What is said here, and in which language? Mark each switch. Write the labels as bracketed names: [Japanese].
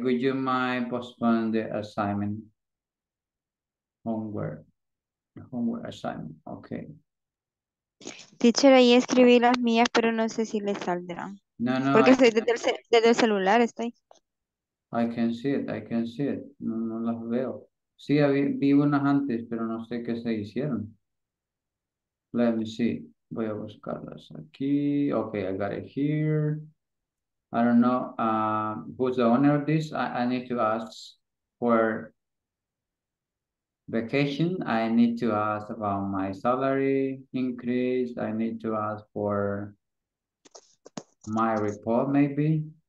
[English] Would you mind postpone the assignment, homework assignment? Okay. [Spanish] Teacher, ahí escribí las mías, pero no sé si les saldrán. No. Porque estoy desde el celular, estoy. [English] I can see it. [Spanish] No las veo. Sí, vi unas antes, pero no sé qué se hicieron. [English] Let me see. [Spanish] Voy a buscarlas aquí. [English] Okay, I got it here. I don't know who's the owner of this. I need to ask for vacation. I need to ask about my salary increase. I need to ask for my report, maybe.